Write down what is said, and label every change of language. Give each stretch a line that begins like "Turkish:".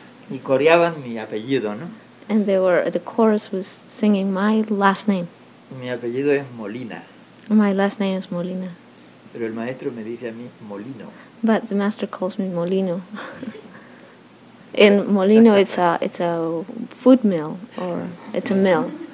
Spanish: Y coreaban mi apellido, ¿no?
English: And the chorus was singing my last name.
Spanish: Mi apellido es Molina.
English: My last name is Molina.
Spanish: Pero el maestro me dice a mí Molino.
English: But the master calls me Molino. In Molino, it's a food mill, or it's a mill.